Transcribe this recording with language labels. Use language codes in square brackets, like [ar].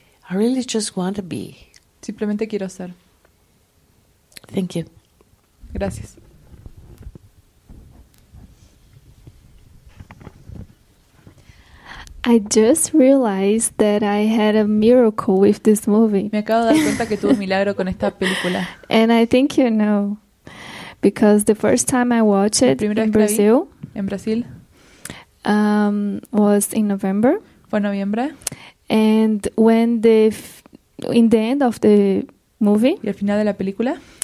[en] I really just want to be. [es] Simplemente quiero ser. [en] Thank you. [es] Gracias. [en] I just realized that I had a miracle with this movie. [es] Me acabo de dar cuenta que tuve un milagro con esta película. [en] And I think you know, because the first time I watched it in Brazil, was in November. [es] Fue noviembre. [en] And when the in the end of the movie, [es] y al final de la película,